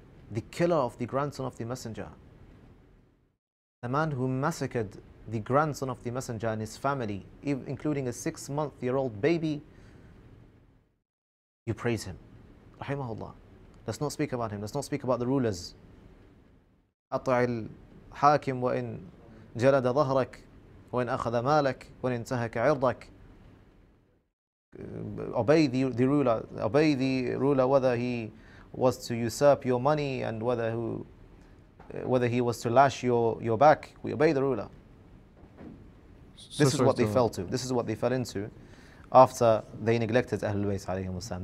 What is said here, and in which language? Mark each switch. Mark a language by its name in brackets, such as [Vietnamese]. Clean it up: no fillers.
[English] The killer of the grandson of the messenger, the man who massacred the grandson of the messenger and his family, including a 6-month-year-old baby, you praise him. Rahimahullah. Let's not speak about him. Let's not speak about the rulers. [Arabic] أطع الحاكم وإن جلد ظهرك وإن أخذ مالك وإن انتهك عرضك. [English] Obey the ruler. Obey the ruler whether he was to usurp your money and whether he was to lash your back. We obey the ruler. This is what they fell into after they neglected Ahlul Bayt alayhim as-salam.